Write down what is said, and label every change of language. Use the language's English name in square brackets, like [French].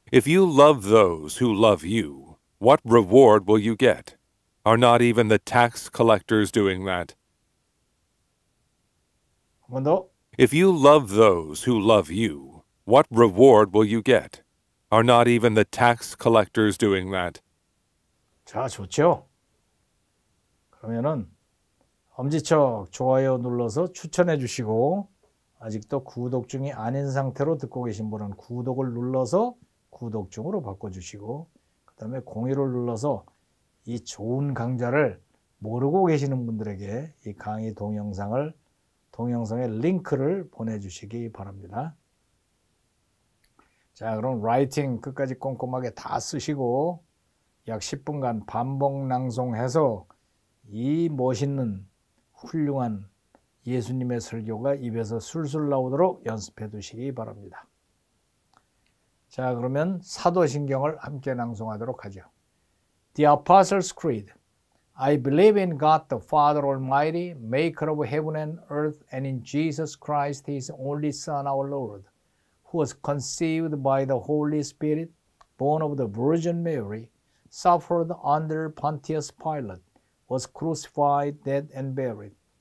[English] If you love those who love you, what reward will you get? Are not even the tax collectors doing that? [Korean] 한 번 더. [English] If you love those who love you, what reward will you get? Are not even the tax collectors doing that? [Korean] 자, 좋죠. 그러면은 엄지척 좋아요 눌러서 추천해 주시고 아직도 구독 중이 아닌 상태로 듣고 계신 분은 구독을 눌러서 구독 중으로 바꿔주시고 그 다음에 공유를 눌러서 이 좋은 강좌를 모르고 계시는 분들에게 이 강의 동영상을 동영상의 링크를 보내주시기 바랍니다. 자, 그럼 라이팅 끝까지 꼼꼼하게 다 쓰시고 약 10분간 반복 낭송해서 이 멋있는 훌륭한 예수님의 설교가 입에서 술술 나오도록 연습해 두시기 바랍니다. 자, 그러면 사도신경을 함께 낭송하도록 하죠. [English] The Apostles' Creed. I believe in God, the Father Almighty, maker of heaven and earth, and in Jesus Christ, his only Son, our Lord, who was conceived by the Holy Spirit, born of the Virgin Mary, suffered under Pontius Pilate, was crucified, dead, and buried.